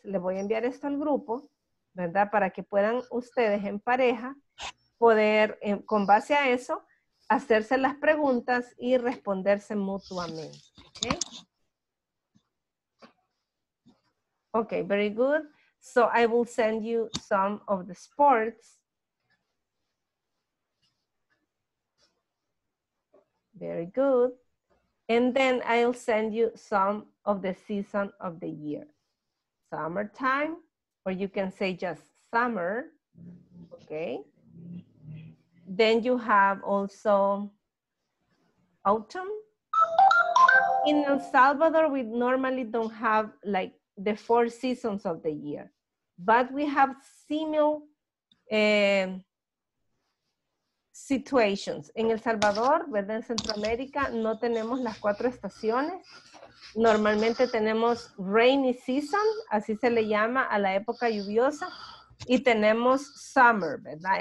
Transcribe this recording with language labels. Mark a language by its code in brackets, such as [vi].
[es] Le voy a enviar esto al grupo, ¿verdad? Para que puedan ustedes en pareja poder, con base a eso, hacerse las preguntas y responderse mutuamente. [en] Okay, very good. So I will send you some of the sports. Very good. And then I'll send you some of the season of the year. Summertime, or you can say just summer, okay? Then you have also autumn. In El Salvador, we normally don't have like the four seasons of the year, but we have similar situations. [es] En El Salvador, ¿verdad? En Centroamérica no tenemos las cuatro estaciones. Normalmente tenemos [en] rainy season, [es] así se le llama a la época lluviosa, y tenemos summer, ¿verdad?